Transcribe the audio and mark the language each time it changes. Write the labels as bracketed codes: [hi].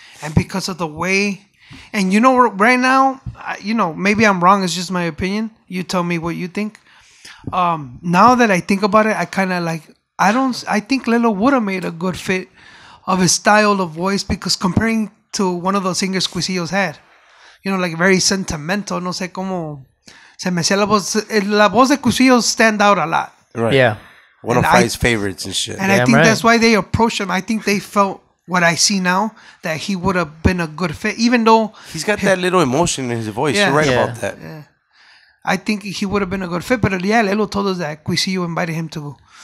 [en] And because of the way... And you know, right now, you know, maybe I'm wrong. It's just my opinion. You tell me what you think. Now that I think about it, I kind of like, I think Lelo would have made a good fit of his style of voice, because comparing to one of those singers Cuisillos had, you know, like very sentimental. [es] No sé cómo se me hacía la voz de Cuisillos [en] stand out a lot. Right. Yeah. One of Fry's favorites and shit. And yeah, I think that's why they approached him. I think they felt. What I see now, that he would have been a good fit, even though... He's got that little emotion in his voice. Yeah, you're right about that. Yeah. I think he would have been a good fit, but yeah, Lelo told us that Cuisillo invited him to...